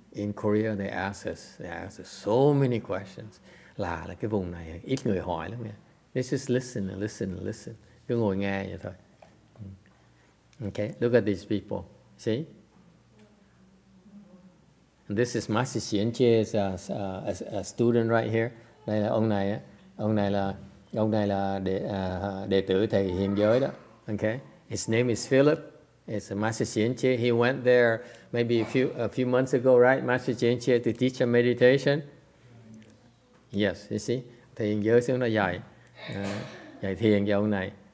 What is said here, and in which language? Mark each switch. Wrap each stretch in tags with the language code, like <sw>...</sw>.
<en>In Korea, they ask us so many questions.</en> <vi>Là cái vùng này ít người hỏi lắm nha.</vi> <en>Let's just listen and listen and listen.</en> <vi>Cứ ngồi nghe vậy thôi.</vi> <en>Okay, look at these people. See? And this is Master Xiên Chê, a student right here.</en> <vi>Đây là ông này. ông này là đệ tử thầy Hiền Giới đó.</vi> <en>Okay, his name is Philip. It's a Master Xianqie. He went there maybe a few months ago, right? Master Xianqie to teach him meditation. Yes, you see,</en> <vi>thầy Hiền Giới xuống đó dạy dạy thiền cho ông này.</vi>